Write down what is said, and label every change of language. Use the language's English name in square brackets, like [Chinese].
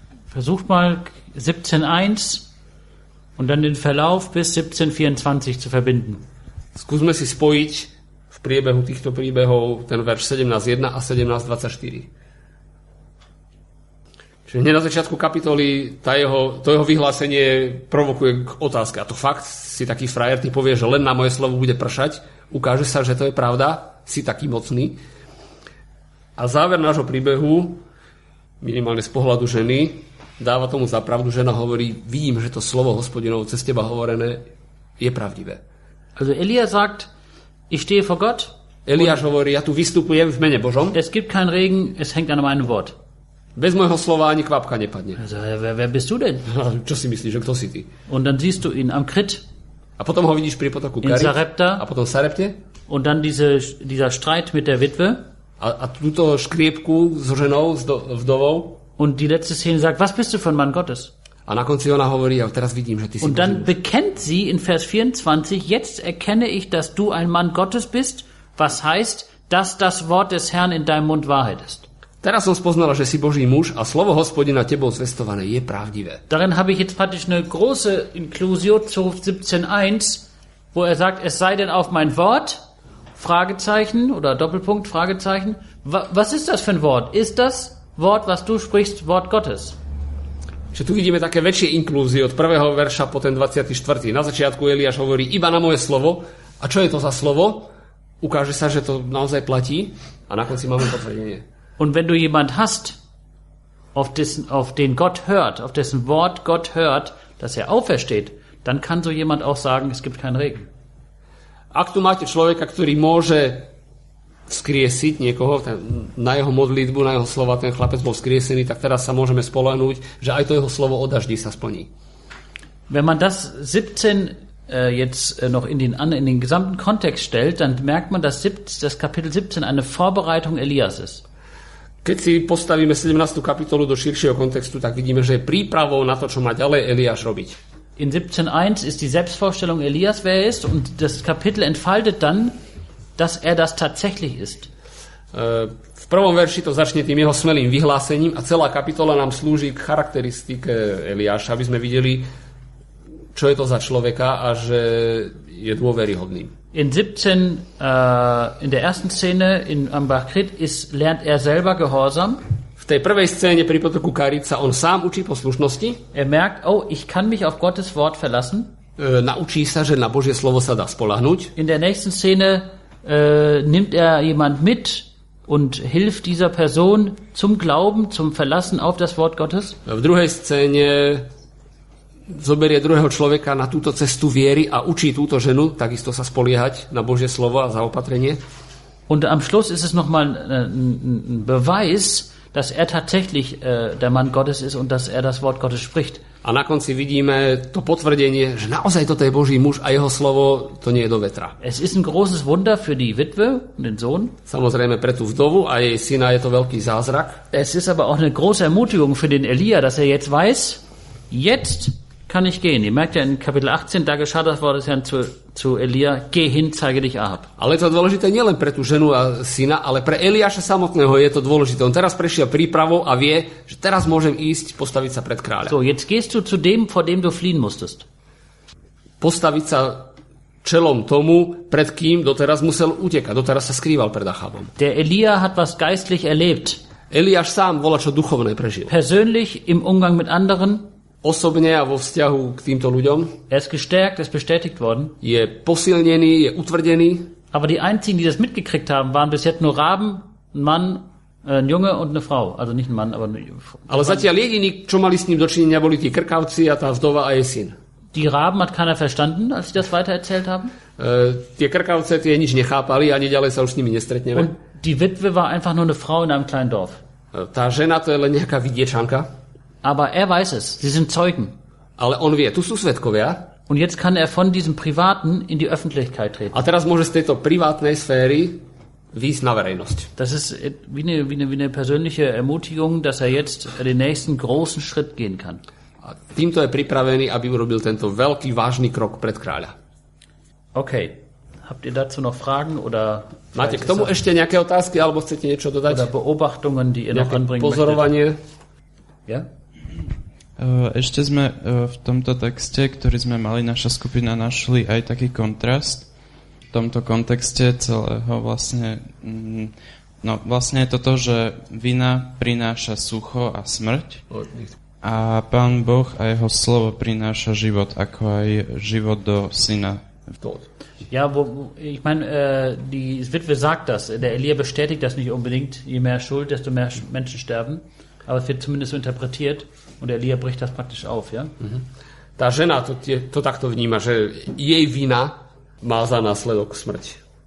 [German] Versuch mal 17.1 und dann den Verlauf bis 17.24 zu verbinden. [Slovak] Skúsme si spojiť v priebehu týchto príbehov ten verš 17.1 a 17.24. Čiže hneď na začiatku kapitoly to jeho vyhlásenie provokuje k otázke. A to fakt, si taký frajer, ty povieš, že len na moje slovo bude pršať, ukáže sa, že to je pravda, si taký mocný. A záver nášho príbehu, minimálne z pohľadu ženy, dáva tomu zapravdu, žena hovorí, vidím, že to slovo Hospodinovo cez teba hovorené je pravdivé. [German] Also Elia sagt, ich stehe vor Gott. [Slovak] Eliáš hovorí, ja tu vystupujem v mene Božom. [German] Es gibt kein Regen, es hängt an meinem Wort. [Slovak] Bez môjho slova ani kvapka nepadne. [German] Wer bist du denn? [Slovak] Čo si myslíš, kto si ty? [German] Und dann siehst du ihn am Krit. [Slovak] A potom ho vidíš pri potoku [German] Karit. In Sarepta. [Slovak] A potom Sarepte. [German] Und dann dieser Streit mit der Witwe. [Slovak] A túto škriepku s ženou, s vdovou. [German] Und die letzte Szene sagt, was bist du von Mann Gottes? [Slovak] A na konci ona hovorí, ja teraz vidím, že ty si. [German] Und dann bekennt sie in Vers 24, jetzt erkenne ich, dass du ein Mann Gottes bist, was heißt, dass das Wort des Herrn in deinem Mund Wahrheit ist. [Slovak] Teraz som spoznala, že si Boží muž a slovo Hospodina tebou zvestované je pravdivé. [German] Darin habe ich jetzt praktisch eine große Inklusio zu 17.1, wo er sagt, es sei denn auf mein Wort, Fragezeichen oder Doppelpunkt, Fragezeichen. Was ist das für ein Wort? Ist das Wort, was du sprichst, Wort Gottes? [Slovak] Že tu vidíme také väčšie inklúzie od prvého verša po ten 24. Na začiatku Eliáš hovorí, iba na moje slovo. A čo je to za slovo? Ukáže sa, že to naozaj platí. A na konci máme potvrdenie. [German] Und wenn du jemand hast, auf den Gott hört, auf dessen Wort Gott hört, dass er aufersteht, dann kann so jemand auch sagen, es gibt keinen Regen. [Slovak] Ak tu máte človeka, ktorý môže vzkriesiť niekoho, na jeho modlitbu, na jeho slova, ten chlapec bol vzkriesený, tak teraz sa môžeme spoľahnúť, že aj to jeho slovo o daždi sa splní. [German] Wenn man das 17 jetzt noch in den gesamten Kontext stellt, dann merkt man, dass Kapitel 17 eine Vorbereitung Elias ist. [Slovak] Keď si postavíme 17. kapitolu do širšieho kontextu, tak vidíme, že je prípravou na to, čo má ďalej Eliáš robiť. [German] In 17.1 ist die Selbstvorstellung Elias, wer er ist, und das Kapitel entfaltet dann, dass er das tatsächlich ist. [Slovak] V prvom verši to začne tým jeho smelým vyhlásením a celá kapitola nám slúži k charakteristike Eliáša, aby sme videli, čo je to za človeka a že je dôveryhodný. [German] In 17, in der ersten Szene in Ambach Krit lernt er selber gehorsam. [Slovak] V tej prvej scéne pri potoku Karit sa on sám učí poslušnosti. [German] Er merkt, ich kann mich auf Gottes Wort verlassen. [Slovak] Naučí sa, že na Božie slovo sa dá spoľahnuť. [German] In der nächsten Szene nimmt er jemand mit und hilft dieser Person zum Glauben, zum Verlassen auf das Wort Gottes. [Slovak] V druhej scéne zoberie druhého človeka na túto cestu viery a učí túto ženu takisto sa spoliehať na Božie slovo a zaopatrenie. [German] Und am Schluss ist es nochmal ein Beweis, dass er tatsächlich der Mann Gottes ist und dass er das Wort Gottes spricht. [Slovak] A na konci vidíme to potvrdenie, že naozaj toto je Boží muž a jeho slovo to nie je do vetra. [German] Es ist ein großes Wunder für die Witwe und den Sohn. [Slovak] Samozrejme pre tú vdovu a jej syna je to veľký zázrak. [German] Es ist aber auch eine große Ermutigung für den Elia, dass er jetzt weiß, jetzt kann ich gehen. Ihr merkt ja in Kapitel 18, da geschah das Wort des Herrn zu Elia, geh hin, zeige dich Ahab. [Slovak] Ale to je dôležité nielen pre tú ženu a syna, ale pre Eliáša samotného je to dôležité. On teraz prešiel prípravou a vie, že teraz môžem ísť postaviť sa pred kráľa. [German] So, jetzt gehst du zu dem, vor dem du fliehen musstest. [Slovak] Postaviť sa čelom tomu, pred kým doteraz musel utekať, doteraz sa skrýval pred Ahabom. [German] Der Elia hat was geistlich erlebt. [Slovak] Eliáš sám volačo duchovné prežil. [German] Persönlich im Umgang mit anderen. [Slovak] osobne a vo vzťahu k týmto ľuďom. [German] Er ist gestärkt, er ist bestätigt worden. [Slovak] Je posilnený, je utvrdený. [German] Aber die einzigen, die das mitgekriegt haben, waren bis jetzt nur Raben, ein Mann, ein Junge und eine Frau. Also nicht ein Mann, aber... [Slovak] Ale zatiaľ jediní, čo mali s ním dočinenia, boli tí krkavci a tá vdova a jej syn. [German] Die Raben hat keiner verstanden, als sie das weitererzählt haben. [Slovak] Tie krkavce, tie nič nechápali, ani ďalej sa už s nimi nestretneme. [German] Und die Witwe war einfach nur eine Frau in einem kleinen Dorf. [Slovak] Tá žena, to je len nejaká vidiečanka. [German] Aber er weiß es, sie sind Zeugen. [Slovak] Ale on vie, tu sú svedkovia. [German] Und jetzt kann er von diesem Privaten in die Öffentlichkeit treten. [Slovak] A teraz môže z tejto privátnej sféry výjsť na verejnosť. [German] Das ist wie eine persönliche Ermutigung, dass er jetzt den nächsten großen Schritt gehen kann. [Slovak] A týmto je pripravený, aby urobil tento veľký, vážny krok pred kráľa. [German] Okay, habt ihr dazu noch Fragen oder... [Slovak] Máte k tomu ešte nejaké otázky, alebo chcete niečo dodať? [German] Oder Beobachtungen, die ihr noch anbringen möchtet. [Slovak] Pozorovanie... [German] Ja? [Slovak] Ešte sme v tomto texte, ktorý sme mali, naša skupina našli aj taký kontrast v tomto kontexte celého vlastne, no vlastne je to to, že vina prináša sucho a smrť a Pán Boh a jeho slovo prináša život, ako aj život do syna. [German] Ja, wo, ich meine, die Witwe sagt das, der Elia bestätigt das nicht unbedingt, je mehr Schuld, desto mehr Menschen sterben. Aber es wird zumindest so interpretiert und Elia bricht das praktisch auf, ja? [Slovak] Tá žena to takto vníma, že jej vina má za následok smrť.